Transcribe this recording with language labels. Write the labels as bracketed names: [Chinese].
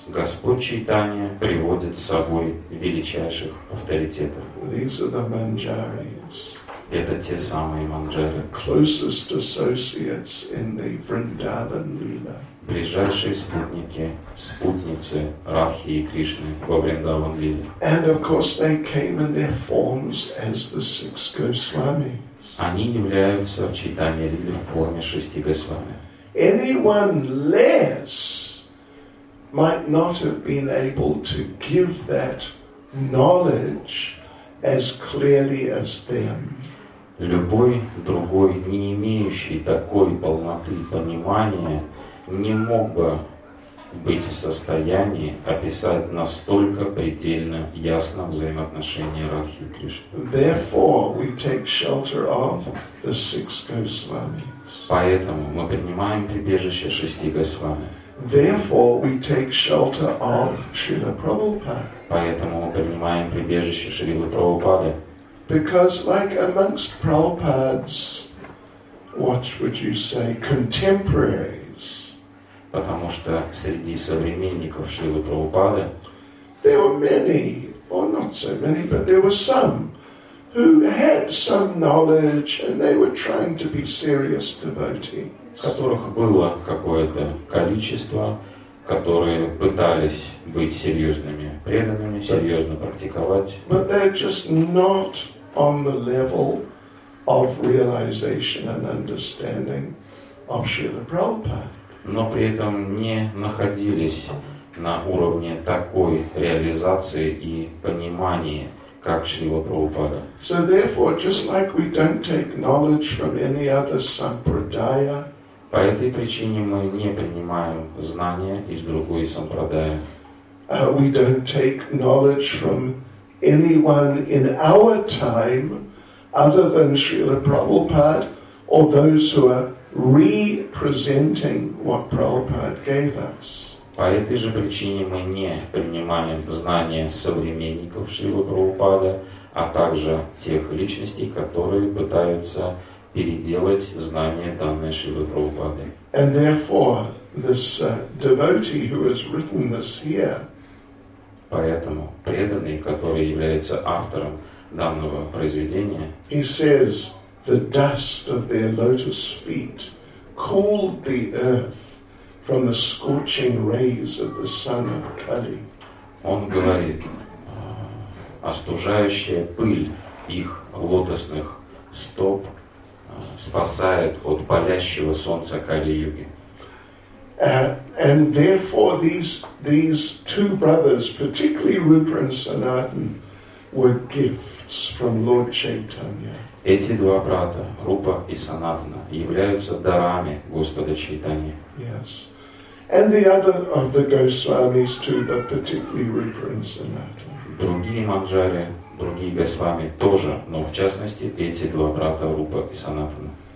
[Russian] Господь Чайтанья приводит с собой величайших авторитетов. [English] These are the Manjaris. [Russian] Это те самые Манджари. [English] The closest associates in the Vrindavan Lila. [Russian] Ближайшие спутники, спутницы Радхи и Кришны во Вриндаван Лиле. [English] And of course they came in their forms as the six Госвамис. [Russian] Они являются в Чайтанья Лиле в форме шести Госвами. [English] Anyone less might not have been able to give that knowledge as clearly as them. [Russian] Любой другой, не имеющий такой полноты понимания, не мог бы быть в состоянии описать настолько предельно ясно взаимоотношения Радхи и Кришны. [English] Therefore, we take shelter of the six Госвамис. [Russian] Поэтому мы принимаем прибежище шести Госвами. [English] Therefore, we take shelter of Śrīla Prabhupāda. [Russian] Поэтому мы принимаем прибежище Шрилы Прабхупады. [English] Because, like amongst Prabhupada's, what would you say, contemporaries? [Russian] Потому что среди современников Шрилы Прабхупады [English] there were many, or not so many, but there were some who had some knowledge and they were trying to be serious devotees. [Russian] Которых было какое-то количество, которые пытались быть серьезными преданными, серьезно практиковать. [English] But they're just not on the level of realization and understanding of Śrīla Prabhupāda. [Russian] Но при этом не находились на уровне такой реализации и понимания, как Шрила Прабхупада. [English] So therefore, just like we don't take knowledge from any other sampradaya, [Russian] по этой причине мы не принимаем знания из другой сампрадая. [English] We don't take knowledge from anyone in our time other than Srila Prabhupada or those who are representing what Prabhupada gave us. [Russian] По этой же причине мы не принимаем знания современников Шрилы Прабхупады, а также тех личностей, которые пытаются переделать знания данной Шрилы Прабхупады. [English] And therefore, this devotee who has written this here. [Russian] Поэтому преданный, который является автором данного произведения, [English] he says, the dust of their lotus feet cooled the earth from the scorching rays of the sun of Kali. [Russian] Он говорит, остужающая пыль их лотосных стоп спасает от палящего солнца Кали-юги. [English] And therefore these two brothers, particularly Rupa and Sanatan, were gifts from Lord Chaitanya. [Russian] Эти два брата, Рупа и Санатана, являются дарами Господа Чайтаньи. [English] Yes. And the other of the Госвамис too, but particularly Rupa and Sanatan. [Russian] Другие манджари, другие Госвами тоже, но в частности эти два брата, Рупа и Санатана.